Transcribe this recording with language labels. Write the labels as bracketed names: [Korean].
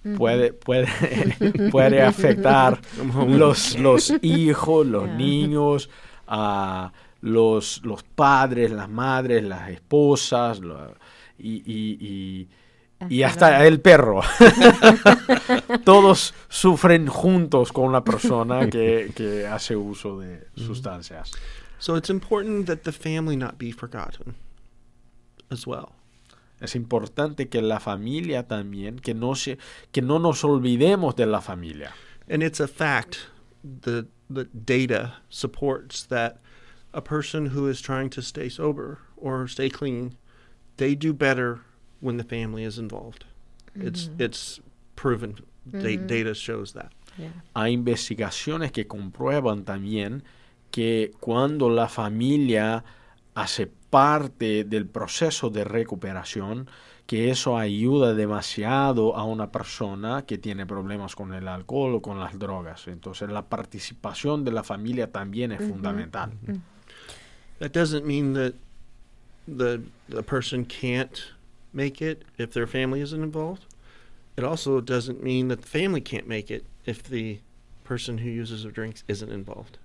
[Spanish] Puede afectar los hijos, los niños, los padres, las madres, las esposas, y hasta el perro. Todos sufren juntos con la persona que hace uso de sustancias. [English] So it's important that the family not be forgotten as well. [Spanish] Es importante que la familia también, que no nos olvidemos de la familia. [English] And it's a fact, the data supports that a person who is trying to stay sober or stay clean, they do better when the family is involved. It's proven. Data shows that. Yeah. [Spanish] Hay investigaciones que comprueban también que cuando la familia hace parte del proceso de recuperación, que eso ayuda demasiado a una persona que tiene problemas con el alcohol o con las drogas. Entonces, la participación de la familia también es fundamental. [English] That doesn't mean that the person can't make it if their family isn't involved. It also doesn't mean that the family can't make it if the person who uses or drinks isn't involved.